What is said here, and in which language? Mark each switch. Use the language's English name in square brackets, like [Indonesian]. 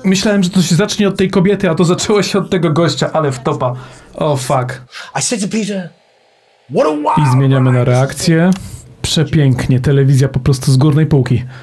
[Polish] Myślałem, że to się zacznie od tej kobiety, a to zaczęło się od tego gościa, ale w topa. [English] O, fuck. I said to Peter, what a wow! [Polish] I zmieniamy na reakcję. Przepięknie, telewizja po prostu z górnej półki.